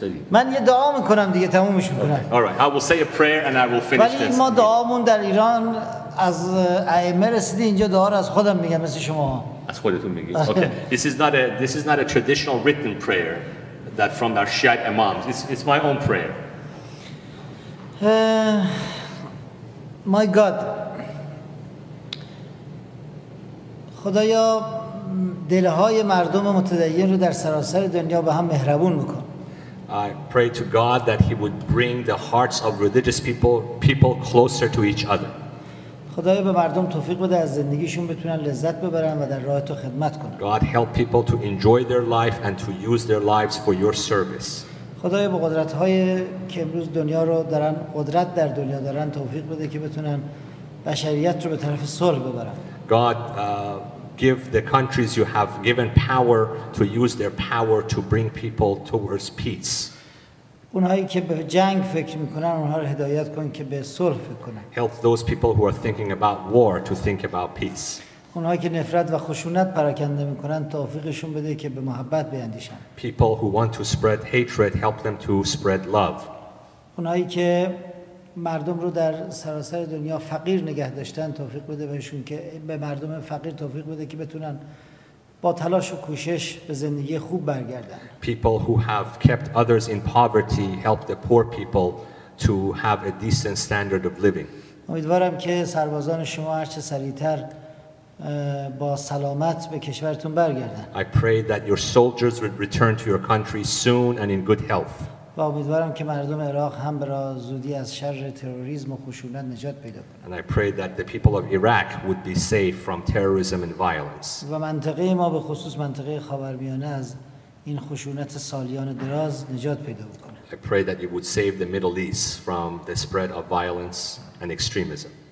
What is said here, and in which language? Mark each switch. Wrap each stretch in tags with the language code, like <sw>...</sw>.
<fa>من یه دعا میکنم دیگه تمومش میکنم.</fa> <en>Okay. All right. I will say a prayer and I will finish</en> <fa>ولی</fa> <en>this.</en> <fa>ولی ما دعامون در ایران از ائمه رسیده، اینجا دعا رو از خودم میگم مثل شما. از خودتون میگید. Okay.</fa> <en>This is not a traditional written prayer that from our Shiite imams. It's my own prayer. My God.</en> <fa>خدایا دلهای مردم متدین رو در سراسر دنیا به هم مهربون میکن.</fa> <en>I pray to God that he would bring the hearts of religious people closer to each other.</en> <fa>خدایا به مردم توفیق بده از زندگیشون بتونن لذت ببرن و در راه تو خدمت کنن.</fa> <en>God help people to enjoy their life and to use their lives for your service.</en> <fa>خدایا به قدرت‌های که امروز دنیا رو دارن، قدرت در دنیا دارن، توفیق بده که بتونن بشریت رو به طرف صلح ببرن.</fa> <en>God give the countries you have given power to use their power to bring people towards peace.</en> <fa>اونایی که به جنگ فکر میکنن اونها رو هدایت کن که به صلح فکر کنن.</fa> <en>Help those people who are thinking about war to think about peace.</en> <fa>اونایی که نفرت و خشونت پراکنده میکنن توفیقشون بده که به محبت بیندیشن.</fa> <en>People who want to spread hatred, help them to spread love.</en> <fa>اونایی که مردم رو در سراسر دنیا فقیر نگه داشتن توفیق بده بهشون که به مردم فقیر توفیق بده که بتونن با تلاش و کوشش به زندگی خوب برگردن.</fa> <en>People who have kept others in poverty, help the poor people to have a decent standard of living.</en> <fa>امیدوارم که سربازان شما هر چه سریعتر با سلامت به کشورتون برگردن.</fa> <en>I pray that your soldiers would return to your country soon and in good health.</en> <fa>و امیدوارم که مردم عراق هم به زودی از شر تروریسم و خشونت نجات پیدا کنند.</fa> <en>And I pray that the people of Iraq would be safe from terrorism and violence.</en> <fa>و منطقه ما به خصوص منطقه خاورمیانه از این خشونت سالیان دراز نجات پیدا بکنه.</fa> <en>I pray that you would save the Middle East from the spread of violence and extremism.</en>